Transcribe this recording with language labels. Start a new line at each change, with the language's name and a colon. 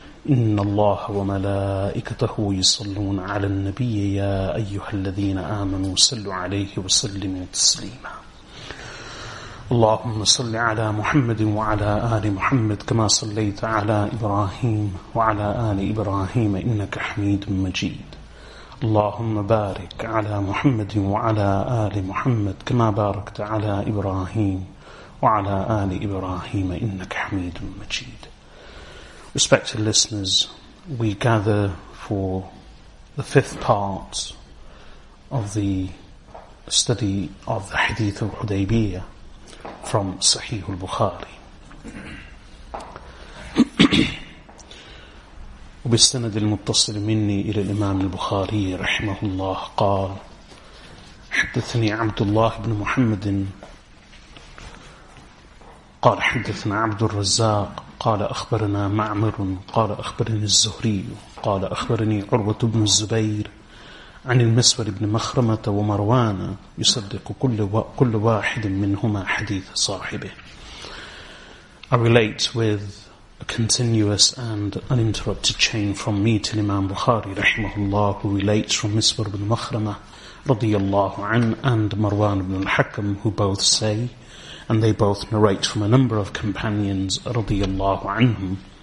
Arabic: إن الله وملائكته يصلون على النبي يا أيها الذين آمنوا صلوا عليه وسلموا تسليما اللهم صل على محمد وعلى آل محمد كما صليت على إبراهيم وعلى آل إبراهيم إنك حميد مجيد اللهم بارك على محمد وعلى آل محمد كما باركت على إبراهيم وعلى آل إبراهيم إنك حميد مجيد.
English: Respected listeners, we gather for the fifth part of the study of the Hadith of Hudaybiyah from Sahih al-Bukhari.
Arabic: وبالسند المتصل مني إلى الإمام البخاري رحمه الله قال حدثني عبد الله بن محمد قال حدثنا عبد الرزاق قال أخبرنا معمر قال أخبرني الزهري قال أخبرني عروة بن الزبير عن المسور بن مخرمة ومروان يصدق كل واحد منهما حديث صاحبه.
English: I relate with a continuous and uninterrupted chain from me to Imam Bukhari
Arabic: رحمه الله,
English: who relates from Miswar ibn Makhrama رضي الله عنه and Marwan ibn al-Hakam, who both say, and they both narrate from a number of companions, radiyallahu anhum.